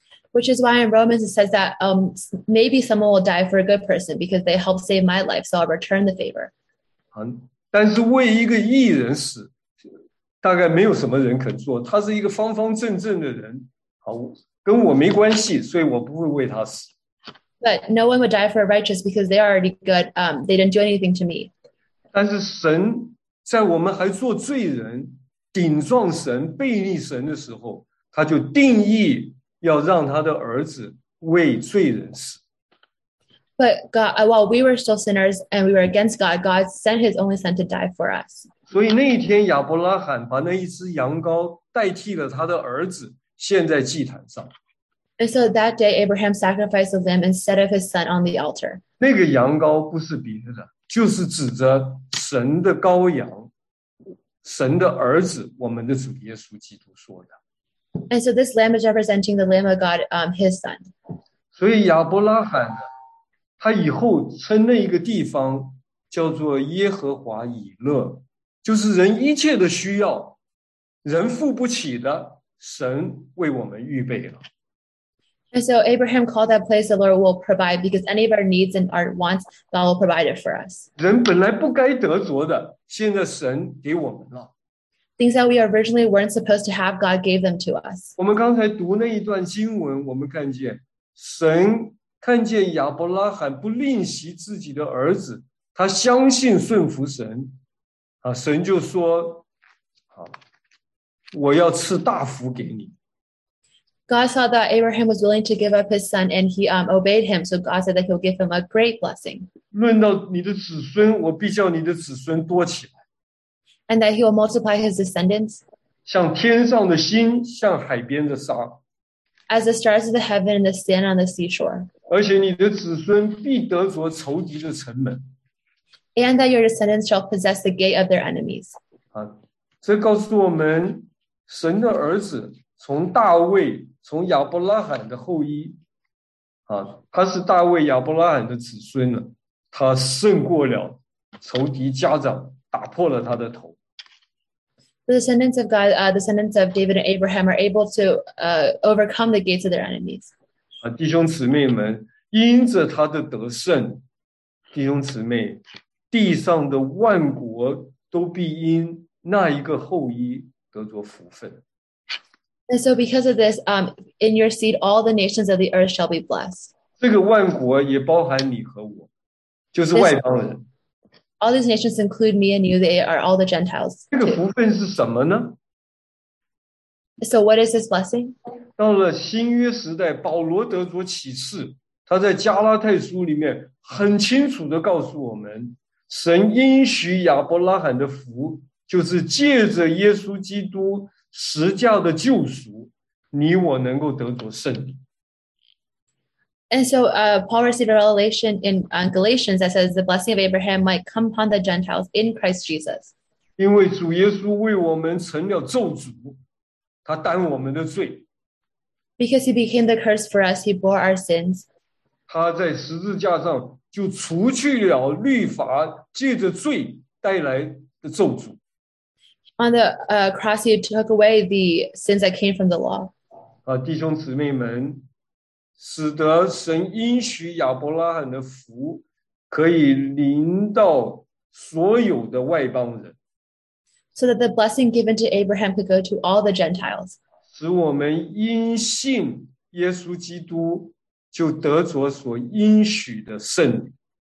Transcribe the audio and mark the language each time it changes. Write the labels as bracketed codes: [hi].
[en] Which is why in Romans it says that maybe someone will die for a good person because they helped save my life, so I'll return the favor. [zh] 但是为一个义人死，大概没有什么人肯做。他是一个方方正正的人，跟我没关系，所以我不会为他死。 [en] But no one would die for a righteous because they are already good. They didn't do anything to me. [zh] 但是神。在我们还做罪人顶撞神悖逆神的时候，他就定义要让他的儿子为罪人死。 [en] But God, while we were still sinners and we were against God, God sent his only son to die for us. [zh] 所以那一天亚伯拉罕把那一只羊羔代替了他的儿子献在祭坛上。 [en] And so that day Abraham sacrificed a lamb instead of his son on the altar. [zh] 那个羊羔不是别的，就是指着神的羔羊，神的儿子，我们的主耶稣基督说的。 [en] And so this lamb is representing the lamb of God, his son. [zh] 所以亚伯拉罕呢，他以后称那一个地方叫做耶和华以勒，就是人一切的需要，人付不起的，神为我们预备了。 [en] And so Abraham called that place the Lord will provide, because any of our needs and our wants, God will provide it for us. [zh] 人本来不该得着的，现在神给我们了。 [en] Things that we originally weren't supposed to have, God gave them to us. [zh] 我们刚才读那一段经文，我们看见神看见亚伯拉罕不吝惜自己的儿子，他相信顺服神，神就说，我要赐大福给你。 [en] God saw that Abraham was willing to give up his son, and he obeyed him. So God said that he'll give him a great blessing. [zh] 论到你的子孙，我必叫你的子孙多起来。 [en] And that he will multiply his descendants. [zh] 像天上的星，像海边的沙。 [en] As the stars of the heaven and the sand on the seashore. [zh] 而且你的子孙必得着仇敌的城门。 [en] And that your descendants shall possess the gate of their enemies. [zh] 这告诉我们，神的儿子从大卫，从亚伯拉罕的后裔，他是大卫亚伯拉罕的子孙呢，他胜过了仇敌家长，打破了他的头。 [en] The descendants of God, descendants of David and Abraham are able to overcome the gates of their enemies. [zh] 弟兄姊妹们，因着他的得胜，弟兄姊妹，地上的万国都必因那一个后裔得着福分。 [en] And so because of this, in your seed, all the nations of the earth shall be blessed. [zh] 这个万国也包含你和我，就是外邦人。 [en] All these nations include me and you, they are all the Gentiles. [zh] 这个福分是什么呢？ [en] So what is this blessing? [zh] 到了新约时代，保罗得着启示，他在加拉太书里面很清楚地告诉我们，神应许亚伯拉罕的福，就是借着耶稣基督十架的救赎，你我能够得着圣灵。 [en] And so, Paul received a revelation in Galatians that says the blessing of Abraham might come upon the Gentiles in Christ Jesus. [zh] 因为主耶稣为我们成了咒诅，他担我们的罪。 [en] Because he became the curse for us, he bore our sins. [zh] 他在十字架上就除去了律法借着罪带来的咒诅。 [en] On the cross, he took away the sins that came from the law. [zh] 弟兄姊妹们，使得神应许亚伯拉罕的福可以临到所有的外邦人。 [en] So that the blessing given to Abraham could go to all the Gentiles. [zh] 使我们因信耶稣基督就得着所应许的圣灵。